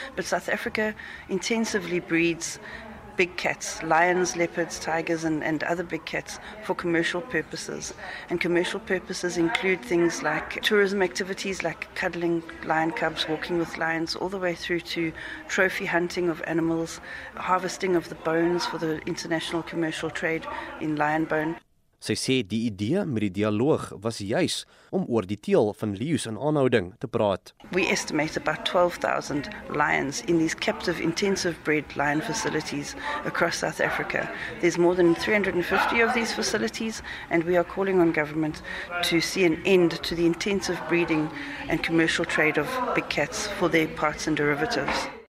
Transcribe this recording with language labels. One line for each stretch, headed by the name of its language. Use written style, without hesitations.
English: But South Africa intensively breeds big cats, lions, leopards, tigers and other big cats for commercial purposes. And commercial purposes include things like tourism activities like cuddling lion cubs, walking with lions, all the way through to trophy hunting of animals, harvesting of the bones for the international commercial trade in lion bone.
Afrikaans: Sy sê die idee met die dialoog was juis om oor die teel van leeu's in aanhouding te praat.
English: We estimate about 12,000 lions in these captive intensive bred lion facilities across South Africa. There's more than 350 of these facilities, and we are calling on government to see an end to the intensive breeding and commercial trade of big cats for their parts and derivatives.